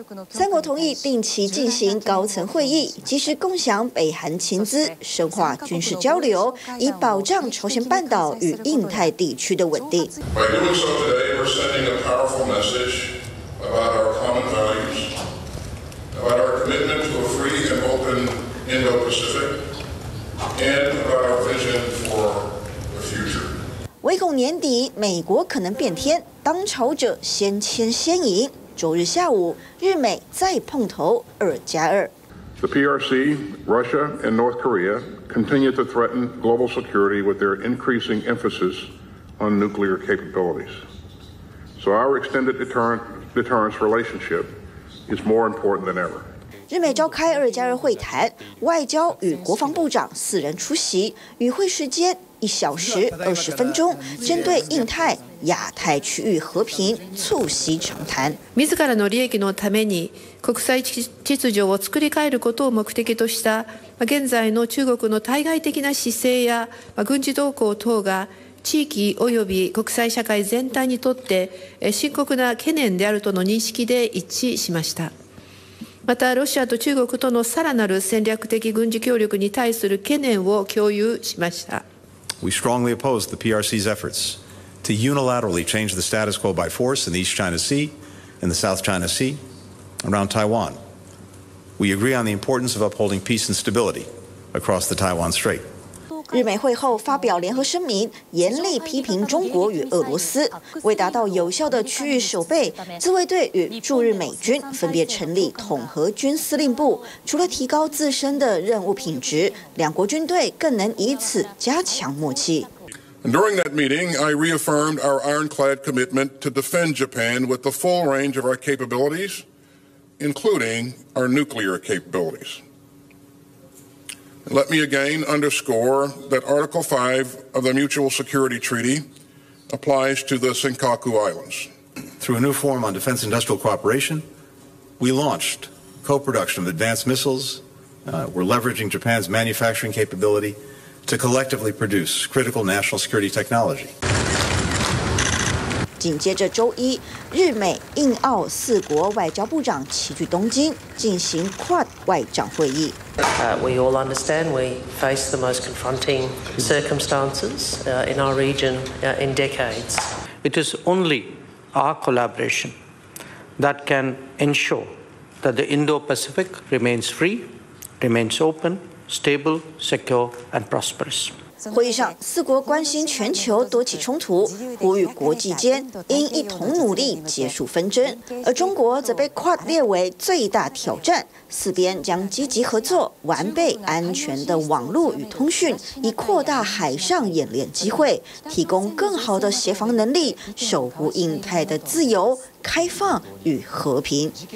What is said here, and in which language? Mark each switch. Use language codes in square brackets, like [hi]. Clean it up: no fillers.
[zh] 三国同意定期进行高层会议，及时共享北韩情资，深化军事交流，以保障朝鲜半岛与印太地区的稳定。 [en] By doing so today, we're sending a powerful message about our common values, about our commitment to a free and open Indo-Pacific, and about our vision for the future. [zh] 唯恐年底美国可能变天，当朝者先签先赢。周日下午，日美再碰头2+2。 [en] The PRC, Russia, and North Korea continue to threaten global security with their increasing emphasis on nuclear capabilities. So our extended deterrence relationship is more important than ever. [zh] 日美召开2+2会谈，外交与国防部长四人出席，与会时间1小时20分钟，针对印太、亚太区域和平促膝长谈。 [ja] 自らの利益のために国際秩序を作り変えることを目的とした現在の中国の対外的な姿勢や軍事動向等が地域および国際社会全体にとって深刻な懸念であるとの認識で一致しました。またロシアと中国とのさらなる戦略的軍事協力に対する懸念を共有しました。 [en] We strongly oppose the PRC's efforts to unilaterally change the status quo by force in the East China Sea in the South China Sea, around Taiwan. We agree on the importance of upholding peace and stability across the Taiwan Strait. [zh] 日美会后发表联合声明，严厉批评中国与俄罗斯。为达到有效的区域守备，自卫队与驻日美军分别成立统合军司令部。除了提高自身的任务品质，两国军队更能以此加强默契。 [en] During that meeting, I reaffirmed our ironclad commitment to defend Japan with the full range of our capabilities, including our nuclear capabilities. Let me again underscore that Article 5 of the Mutual Security Treaty applies to the Senkaku Islands. Through a new forum on defense industrial cooperation, we launched co-production of advanced missiles. We're leveraging Japan's manufacturing capability. To collectively produce critical national security technology. [zh] 紧接着周一，日美印澳四国外交部长齐聚东京，进行 Quad 外长会议。 [en] We all understand we face the most confronting circumstances in our region in decades. It is only our collaboration that can ensure that the Indo-Pacific remains free, remains open. Stable, secure, and prosperous. [zh] 会议上，四国关心全球多起冲突，呼吁国际间应一同努力结束纷争。而中国则被Quad列为最大挑战，四边将积极合作，完备安全的网络与通讯，以扩大海上演练机会，提供更好的协防能力，守护印太的自由、开放与和平。